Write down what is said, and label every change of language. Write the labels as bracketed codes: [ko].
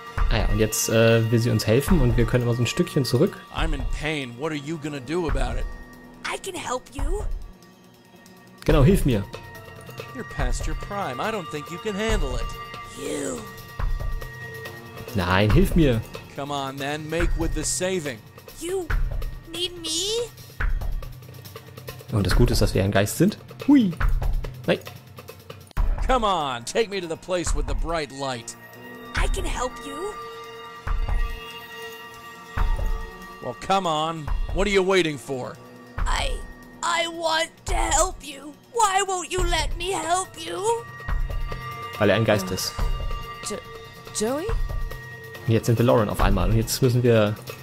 [de] Ah ja, und jetzt will sie uns helfen und wir können immer so ein Stückchen zurück. [en] I'm in pain. What are you gonna do about it? I can help you. [de] Genau, hilf mir. [en] You're past your prime. I don't think you can handle it. You. [de] Nein, hilf mir. [en] Come on, then. Make with the saving. You need me? [de] Und das Gute ist, dass wir ein Geist sind. Hui. Nein. [en] Come on. Take me to the place with the bright light. I can help you. Well, come on. What are you waiting for? I want to help you. Why won't you let me help you? [de] Weil er ein Geist ist. [en] Joey? [de] Und jetzt sind wir Lauren auf einmal und jetzt müssen wir...